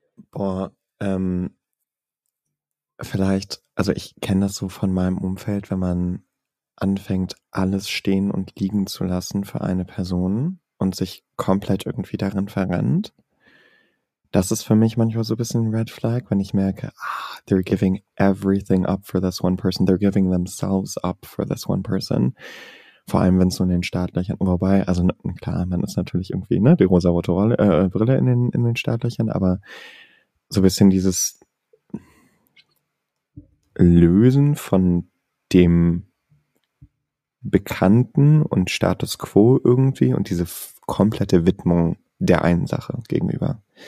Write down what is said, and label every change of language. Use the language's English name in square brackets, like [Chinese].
[German] Boah, vielleicht, also ich kenne das so von meinem Umfeld, wenn man anfängt, alles stehen und liegen zu lassen für eine Person und sich komplett irgendwie darin verrennt. Das ist für mich manchmal so ein bisschen Red Flag, wenn ich merke, [English] they're giving everything up for this one person. They're giving themselves up for this one person. [German] Vor allem, wenn es so in den Startlöchern, wobei, also klar, man ist natürlich irgendwie, ne, die rosa-rote Brille in den Startlöchern, aber so ein bisschen dieses Lösen von dem Bekannten und Status quo irgendwie und diese komplette Widmung der einen Sache gegenüber.